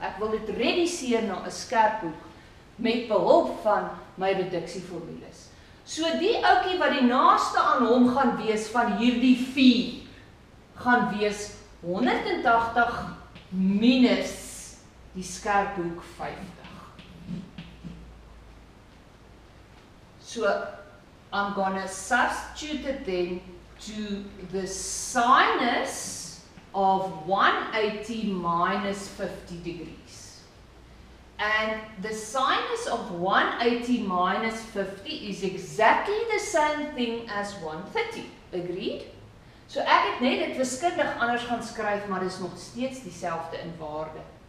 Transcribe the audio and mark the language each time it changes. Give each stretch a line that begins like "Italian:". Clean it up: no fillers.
Afrikaans: Ek wil dit reduseer na 'n skerp hoek met behulp van my reduksieformules. So die ouetjie wat die naaste aan hom gaan wees van hierdie 4 gaan wees 180 minus die skerp hoek 50.
English: So I'm going to substitute it then to the sinus of 180 minus 50 degrees. And the sinus of 180 minus 50 is exactly the same thing as 130. Agreed?
Afrikaans: So ek het net dit wiskundig anders gaan skryf, maar dit is nog steeds dieselfde in waarde.